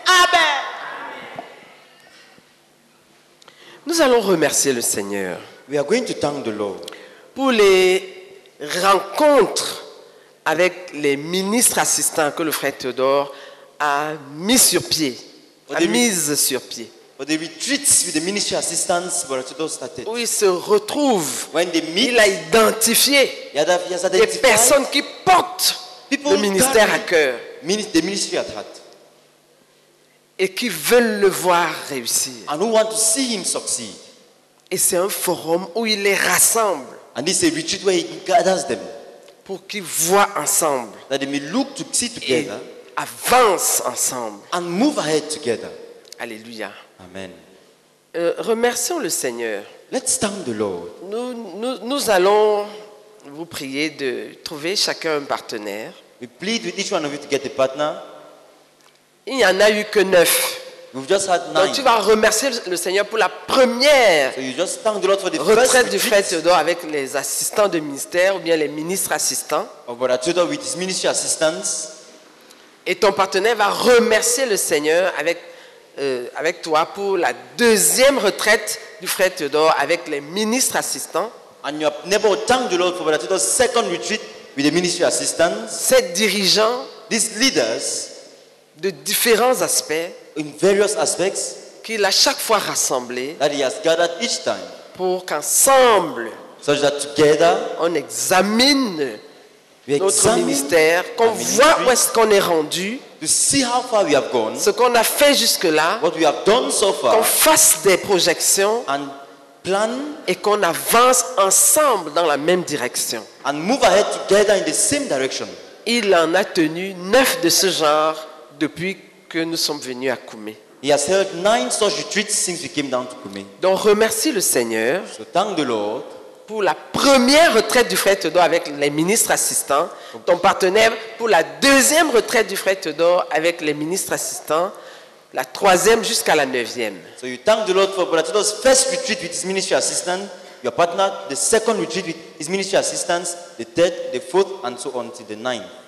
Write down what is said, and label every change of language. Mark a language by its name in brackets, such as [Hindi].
[French] Amen. Nous allons remercier le Seigneur. [English] We are going to thank the Lord. [French] Pour les rencontres avec les ministres assistants que le frère Théodore a mis sur pied. [English] For the retreats with the ministry assistants, Brother Theodore started. [French] Où ils se retrouvent. [English] When they meet, [French] il a identifié des personnes qui portent le ministère à cœur. [English] The ministry at heart. [French] Et qui veulent le voir réussir. [English] And who want to see him succeed. [French] Et c'est un forum où il les rassemble. [English] And this is a retreat where he gathers them. [French] Pour qu'ils voient ensemble. [English] That they may look to see together. [French] Et avancent ensemble. [English] And move ahead together. Alléluia. Amen. [French] Remercions le Seigneur. [English] Let's thank the Lord. [French] Nous allons vous prier de trouver chacun un partenaire. [English] We plead with each one of you to get a partner. [French] Il n'y en a eu que 9. Donc tu vas remercier le Seigneur pour la première retraite du frère Théodore avec les assistants de ministère ou bien les ministres assistants. [English] With his ministry assistants. [French] Et ton partenaire va remercier le Seigneur avec toi pour la deuxième retraite du frère Théodore avec les ministres assistants. [English] And you have never thanked the Lord for Brother Theodore's second retreat with the ministry assistants. [French] Ces dirigeants, [English] these leaders, [French] de différents aspects, [English] in various aspects, [French] qu'il a chaque fois rassemblé, [English] that he has gathered each time, [French] pour qu'ensemble, [English] so that together, [French] on examine [English] we [French] notre [English] examine [French] ministère, qu'on voit où est-ce qu'on est rendu, [English] to see how far we have gone, [French] ce qu'on a fait jusque-là, [English] what we have done so far, [French] qu'on fasse des projections, [English] and plan, [French] et qu'on avance ensemble dans la même direction, [English] and move ahead together in the same direction. [French] Il en a tenu 9 de ce genre. Depuis que nous sommes venus à Koumé. [English] He has held 9 such retreats since we came down to Koumé. [French] Donc remercie le Seigneur. [English] So thank the Lord. [French] Pour la première retraite du frère Théodore avec les ministres assistants. Okay. Ton partenaire pour la deuxième retraite du frère Théodore avec les ministres assistants. La troisième jusqu'à la neuvième. [English] So you thank the Lord for Brother Theodore's first retreat with his ministry assistant. Your partner, the second retreat with his ministry assistants. The third, the fourth and so on to the ninth.